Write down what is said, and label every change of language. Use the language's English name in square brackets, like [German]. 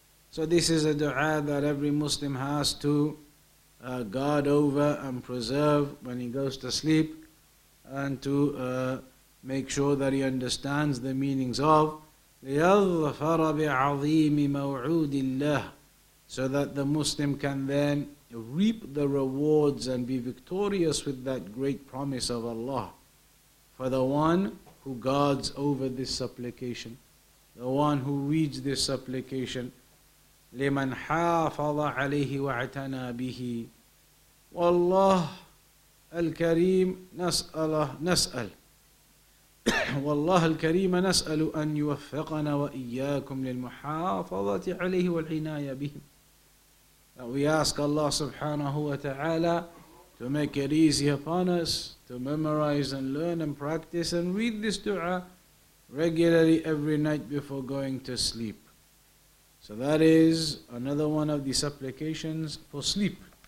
[English] So this is a dua that every Muslim has to guard over and preserve when he goes to sleep, and to make sure that he understands the meanings of [Arabic] ليظفر بعظيم موعود الله, [English] so that the Muslim can then reap the rewards and be victorious with that great promise of Allah, for the one who guards over this supplication, the one who reads this supplication, [Arabic] لِمَنْ حَافَظَ عَلَيْهِ وَعْتَنَى بِهِ. والله الكريم نسأل والله الكريم نسأل أن يوفقنا وإياكم للمحافظة عليه والعناية به. [English] We ask Allah subhanahu wa ta'ala to make it easy upon us to memorize and learn and practice and read this dua regularly every night before going to sleep. So that is another one of the supplications for sleep.